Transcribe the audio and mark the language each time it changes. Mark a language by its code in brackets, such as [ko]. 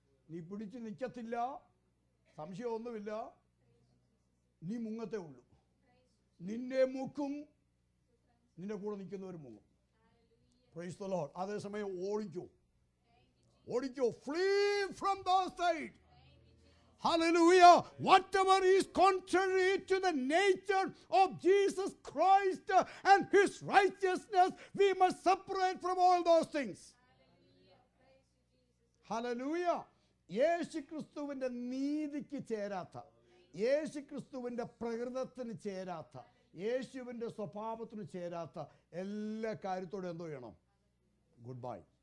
[ml] നീ പിടിച്ചു നിൽക്കത്തില്ല, സംശയമൊന്നുമില്ല, നീ മുങ്ങത്തേ ഉള്ളൂ. നിന്നെ മുക്കും, നിന്റെ കൂടെ നിൽക്കുന്നവർ മുങ്ങും. [en] Praise the lord. [ml] അതേസമയം ഓടിക്കോ, ഓടിക്കോ, [en] Flee from those side. Hallelujah. Whatever is contrary to the nature of Jesus Christ and his righteousness, we must separate from all those things. Hallelujah. [ml] യേശു ക്രിസ്തുവിന്റെ നീതിക്ക് ചേരാത്ത, യേശു ക്രിസ്തുവിന്റെ പ്രകൃതത്തിന് ചേരാത്ത, യേശുവിന്റെ സ്വഭാവത്തിന് ചേരാത്ത എല്ലാ കാര്യത്തോടും എന്തോ ചെയ്യണം, [en] Goodbye.